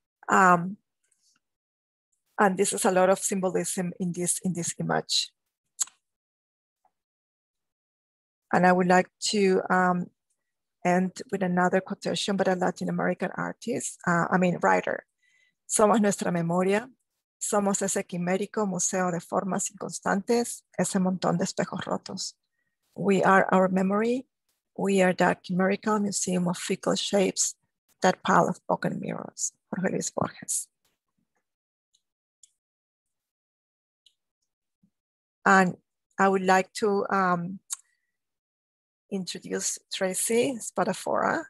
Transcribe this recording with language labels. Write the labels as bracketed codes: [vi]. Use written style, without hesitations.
[en] And this is a lot of symbolism in this image. And I would like to end with another quotation by a Latin American writer. [es] Somos nuestra memoria. Somos ese quimérico museo de formas inconstantes, ese montón de espejos rotos. [en] We are our memory. We are that chimerical museum of fickle shapes, that pile of broken mirrors. Jorge Luis Borges. And I would like to introduce Tracy Spadafora.